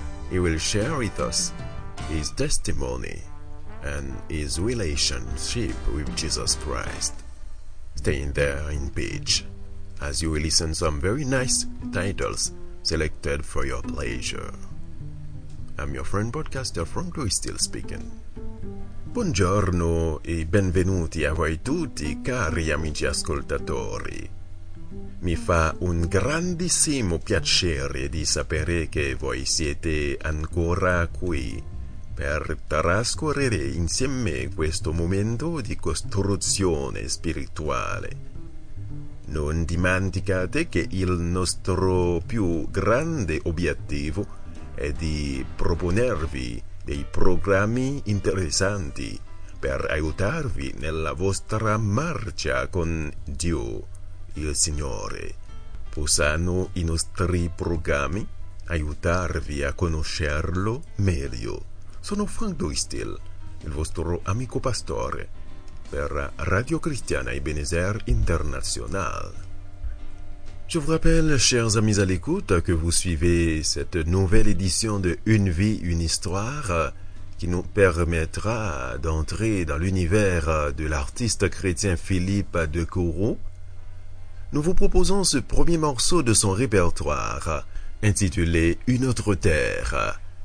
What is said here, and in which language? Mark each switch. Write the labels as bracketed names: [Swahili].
[English] He will share with us his testimony and his relationship with Jesus Christ. Stay in there in peace as you will listen some very nice titles selected for your pleasure. I'm your friend podcaster Frank Louis still speaking. [Italian] Buongiorno e benvenuti a voi tutti, cari amici ascoltatori. Mi fa un grandissimo piacere di sapere che voi siete ancora qui per trascorrere insieme questo momento di costruzione spirituale. Non dimenticate che il nostro più grande obiettivo è di proponervi dei programmi interessanti per aiutarvi nella vostra marcia con Dio, il Signore. Possano i nostri programmi aiutarvi a conoscerlo meglio. Sono Frank Doistil, il vostro amico pastore per Radio Cristiana Ebenezer International. [French] Je vous rappelle, chers amis à l'écoute, que vous suivez cette nouvelle édition de Une vie, une histoire qui nous permettra d'entrer dans l'univers de l'artiste chrétien Philippe Decourou. Nous vous proposons ce premier morceau de son répertoire intitulé « Une autre terre ».